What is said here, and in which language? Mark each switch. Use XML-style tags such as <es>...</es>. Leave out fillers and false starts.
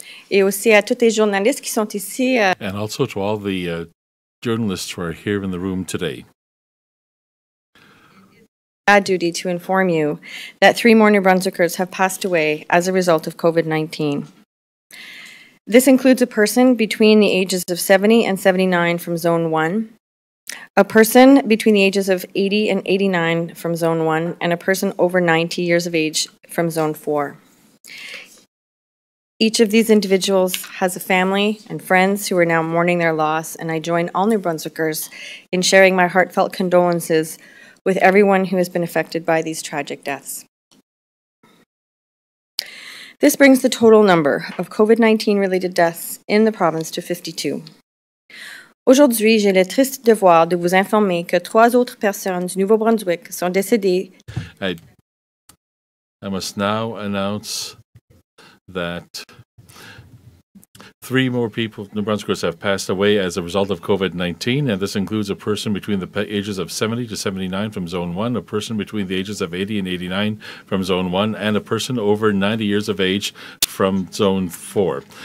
<fr>Et aussi à toutes les journalistes qui sont ici.</fr> <en>And also to all the journalists who are here in the room today. It's my duty to inform you that three more New Brunswickers have passed away as a result of COVID-19. This includes a person between the ages of 70 and 79 from Zone 1. A person between the ages of 80 and 89 from Zone 1, and a person over 90 years of age from Zone 4. Each of these individuals has a family and friends who are now mourning their loss, and I join all New Brunswickers in sharing my heartfelt condolences with everyone who has been affected by these tragic deaths. This brings the total number of COVID-19-related deaths in the province to 52.</en> <fr>Aujourd'hui, j'ai le triste devoir de vous informer que trois autres personnes du Nouveau-Brunswick sont décédées.</fr> <en>I must now announce that three more people, New Brunswickers, have passed away as a result of COVID-19, and this includes a person between the ages of 70 to 79 from Zone 1, a person between the ages of 80 and 89 from Zone 1, and a person over 90 years of age from Zone 4.</en>